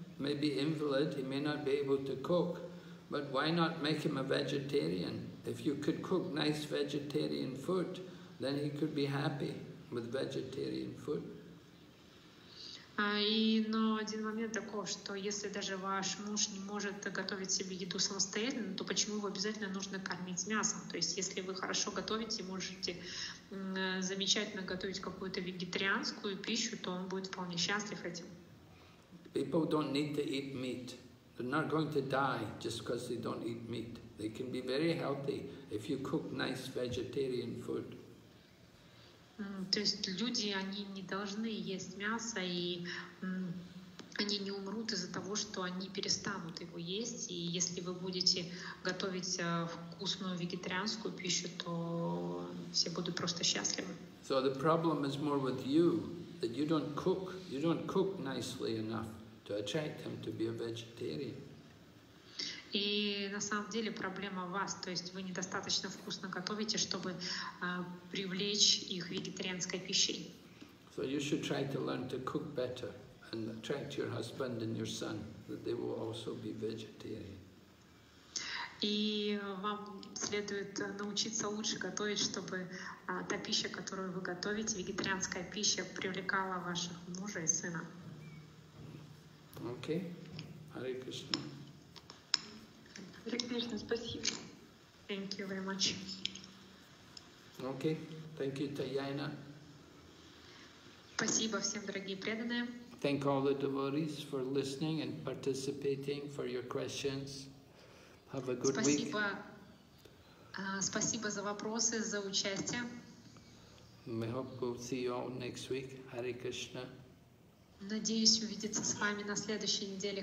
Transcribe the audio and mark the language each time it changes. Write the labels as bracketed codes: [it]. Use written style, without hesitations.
[en] may be invalid, he may not be able to cook, but why not make him a vegetarian? If you could cook nice vegetarian food, then he could be happy with vegetarian food. [ru] И, но один момент такой, что если даже ваш муж не может готовить себе еду самостоятельно, то почему его обязательно нужно кормить мясом? То есть если вы хорошо готовите, можете замечательно готовить какую-то вегетарианскую пищу, то он будет вполне счастлив этим. [en] People don't need to eat meat. They're not going to die just because they don't eat meat. They can be very healthy if you cook nice vegetarian food. [ru] То есть люди, они не должны есть мясо, и они не умрут из-за того, что они перестанут его есть. И если вы будете готовить вкусную вегетарианскую пищу, то все будут просто счастливы. [en] So the problem is more with you, that you don't cook nicely enough to attract them to be a vegetarian. [ru] И на самом деле проблема в вас, то есть вы недостаточно вкусно готовите, чтобы привлечь их вегетарианской пищей. [en] So you should try to learn to cook better and attract your husband and your son, that they will also be vegetarian. [ru] И вам следует научиться лучше готовить, чтобы та пища, которую вы готовите, вегетарианская пища, привлекала ваших мужа и сына. [en] Okay. Hare Krishna. [ru] Спасибо. [en] Thank you very much. Okay. Thank you, Tayana. [ru] Спасибо всем, дорогие преданные. [en] Thank all the devotees for listening and participating, for your questions. Have a good [ru] спасибо. [en] Week. [ru] Спасибо за вопросы, за участие. [en] We hope we'll see you all next week. Hare Krishna. [ru] Надеюсь увидеться с вами на следующей неделе.